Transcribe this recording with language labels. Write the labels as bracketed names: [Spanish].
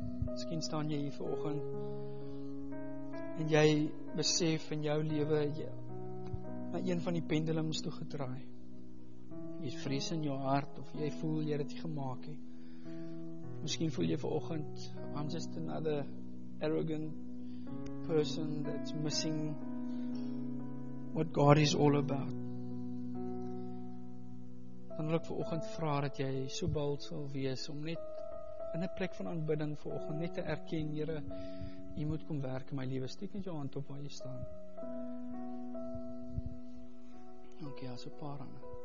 [Afrikaans] Miskien staan jy hier vanoggend en jy besef in jou lewe na een van die pendulums toe gedraai. Jy is vrees in jou hart of jy voel jy het dit gemaak het. Miskien voel jy vanoggend, [English] I'm just another arrogant person that's missing what God is all about. [Afrikaans] Dan wil ek vanoggend vra dat jy so bold sal wees om net in 'n plek van aanbidding vanoggend net te erken, Here, U moet kom werk in my lewe. Steek net jou hand op waar jy staan. Dankie, ja, so paar hande.